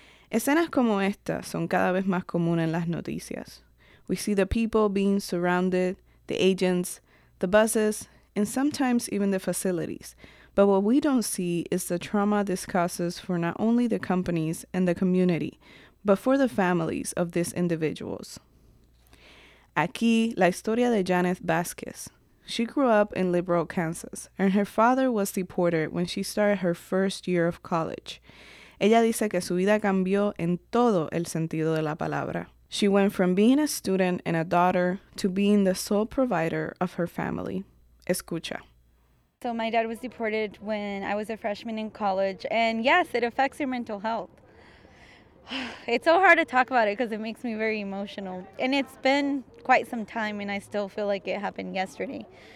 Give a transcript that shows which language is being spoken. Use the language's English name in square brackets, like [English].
[Spanish] Escenas como esta son cada vez más comunes en las noticias. [English] We see the people being surrounded, the agents, the buses, and sometimes even the facilities. But what we don't see is the trauma this causes for not only the companies and the community, but for the families of these individuals. [Spanish] Aquí, la historia de [English] Janeth Vasquez. She grew up in Liberal, Kansas, and her father was deported when she started her first year of college. [Spanish] Ella dice que su vida cambió en todo el sentido de la palabra. [English] She went from being a student and a daughter to being the sole provider of her family. [Spanish] Escucha. [English] So my dad was deported when I was a freshman in college, and yes, it affects your mental health. It's so hard to talk about it because it makes me very emotional. And it's been quite some time and I still feel like it happened yesterday.